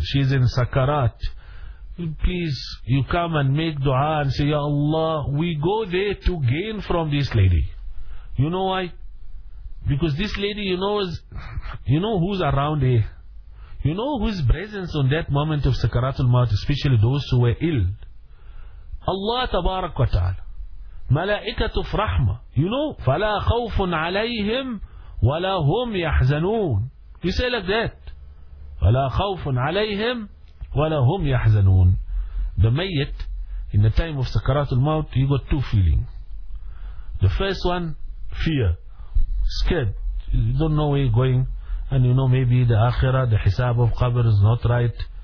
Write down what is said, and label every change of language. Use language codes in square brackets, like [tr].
[en] She's in sakarat. Please, you come and make dua and say, Ya Allah, we go there to gain from this lady. You know why? Because this lady, you know who's around here. You know whose presence on that moment of Sakaratul Maut, especially those who were ill. Allah Tabarak wa Ta'ala. Malaikat of Rahmah. You know? [ar] فَلَا خَوْفٌ عَلَيْهِمْ وَلَا هُمْ يَحْزَنُونَ. [en] You say like that. [ar] فَلَا خَوْفٌ عَلَيْهِمْ وَلَا هُمْ يَحْزَنُونَ. [en] The mayyit, in the time of Sakaratul Maut, you got two feelings. The first one, fear. Scared, you don't know where you're going, and you know maybe the akhirah, the hisab of qabr is not right.